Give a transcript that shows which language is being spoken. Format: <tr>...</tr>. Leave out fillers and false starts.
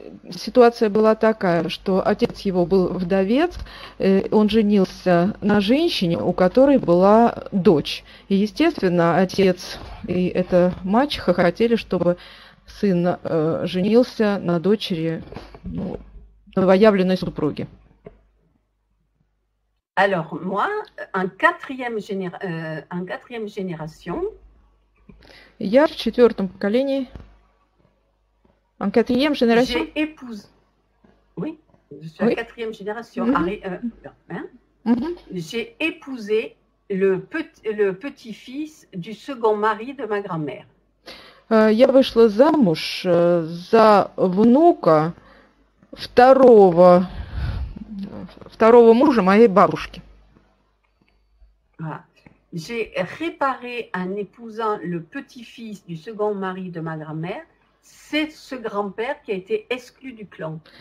<ru>Ситуация была такая, что отец его был вдовец, он женился на женщине, у которой была дочь. И, естественно, отец и эта мачеха хотели, чтобы сын женился на дочери новоявленной супруги.</ru> <fr>Alors moi, en quatrième génération.</fr> <ru>Я в четвертом поколении.</ru> <fr>En quatrième génération. J'ai épousé. Oui, je suis oui. En quatrième génération. Mm-hmm. J'ai épousé le petit-fils du second mari de ma grand-mère.</fr> <ru>Я вышла замуж за внука второго мужа моей бабушки.</ru> <fr>Voilà. J'ai réparé en épousant le petit-fils du second mari de ma grand-mère, c'est ce grand-père qui a été exclu du clan.</fr>